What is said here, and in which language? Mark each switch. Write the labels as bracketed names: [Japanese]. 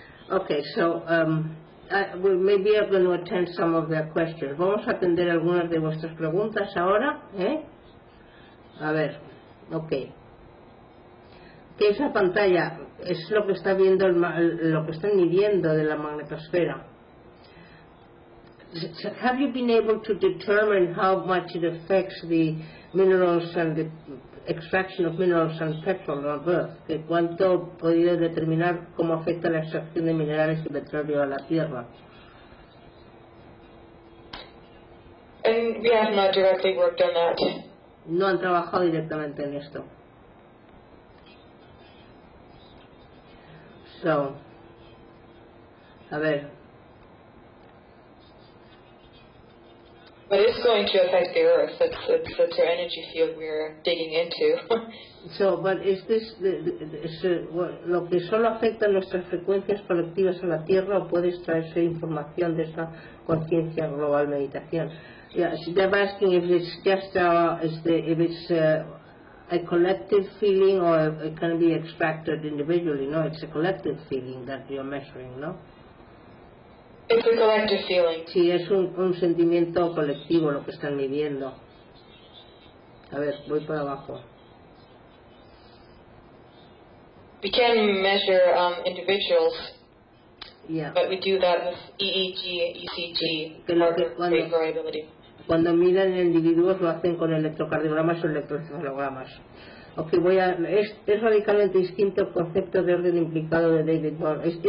[English] Okay, so maybe I'm going to attend some of their questions. [Spanish] Vamos a atender algunas de vuestras preguntas ahora, A ver, okay. Que esa pantalla es lo que está viendo, lo que están midiendo de la magnetosfera. [English] Have you been able to determine how much it affects the minerals and the extraction of minerals and petrol on Earth? [Spanish] ¿De cuánto podido determinar cómo afecta la extracción de minerales y petróleo a la Tierra? [English] And we have not directly worked on that. [Spanish] No han trabajado directamente en esto. So, a ver. [English] But it's going to affect the Earth. That's our energy field we're digging into. So, but is this [Spanish] lo que solo afecta nuestras frecuencias colectivas a la Tierra, o puede extraerse información de esa conciencia global meditación? [English] Yeah, they're asking if it's just a collective feeling, or it can be extracted individually. No, it's a collective feeling that you're measuring, no? It's a collective feeling. [Spanish] Sí, es un sentimiento colectivo lo que están midiendo. A ver, voy para abajo. [English] We can measure individuals. Yeah. But we do that with EEG, ECG, brain variability. [Spanish] Cuando miden individuos lo hacen con electrocardiogramas o electroencefalogramas. Okay, voy a, es radicalmente distinto el concepto de orden implicado de David Bohr.